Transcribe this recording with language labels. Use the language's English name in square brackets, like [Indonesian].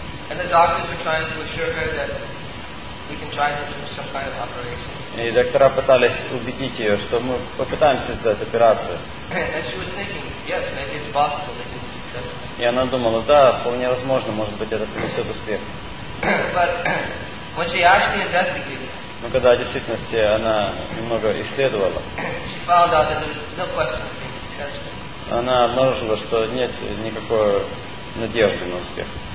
[English] And the doctors are trying to assure her that we can try to do some kind of operation. [Russian] И доктора пытались убедить ее, что мы попытаемся сделать операцию. [English] And she was thinking, yes, maybe it's possible that it's successful. [Russian] И она думала, да, вполне возможно, может быть, это принесет успех. [English] But when she actually investigated. [Russian] Но когда в действительности она немного исследовала. [English] She found out that there's no question of being successful. [Russian] Она обнаружила, что нет никакой надежды на успех.